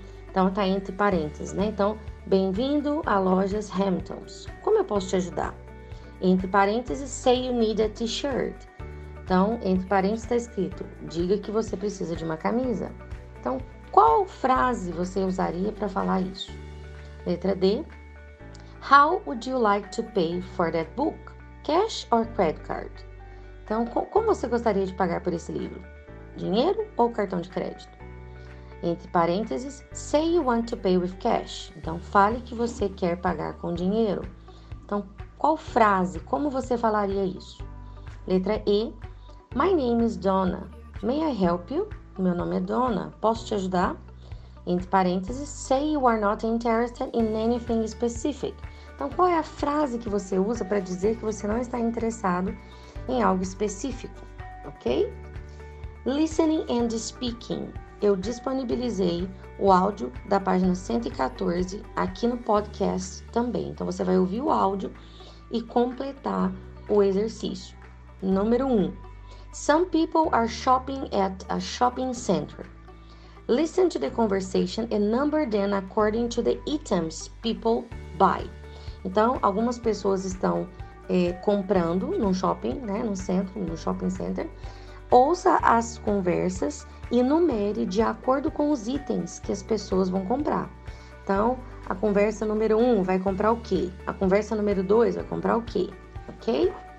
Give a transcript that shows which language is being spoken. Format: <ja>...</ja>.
<pt>Então, tá entre parênteses, né? Então, bem-vindo a lojas Hamilton's. Como eu posso te ajudar? Entre parênteses,</pt> <en>say you need a t-shirt.</en> <pt>Então, entre parênteses está escrito, diga que você precisa de uma camisa. Então, qual frase você usaria para falar isso? Letra D,</pt> <en>How would you like to pay for that book? Cash or credit card?</en> <pt>Então, como você gostaria de pagar por esse livro? Dinheiro ou cartão de crédito? Entre parênteses,</pt> <en>say you want to pay with cash.</en> <pt>Então, fale que você quer pagar com dinheiro. Então, qual frase, como você falaria isso? Letra E,</pt> <en>My name is Donna. May I help you?</en> <pt>Meu nome é Donna. Posso te ajudar? Entre parênteses,</pt> <en>say you are not interested in anything specific.</en> <pt>Então, qual é a frase que você usa para dizer que você não está interessado em algo específico, ok?</pt> <en>Listening and speaking.</en> <pt>Eu disponibilizei o áudio da página 114 aqui no podcast também. Então, você vai ouvir o áudio e completar o exercício. Número 1.</pt> <en>Some people are shopping at a shopping center. Listen to the conversation and number them according to the items people buy.</en> <pt>Então, algumas pessoas estão comprando no shopping, né, no centro, no shopping center. Ouça as conversas e numere de acordo com os itens que as pessoas vão comprar. Então, a conversa número 1 vai comprar o quê? A conversa número 2 vai comprar o quê? Ok?</pt>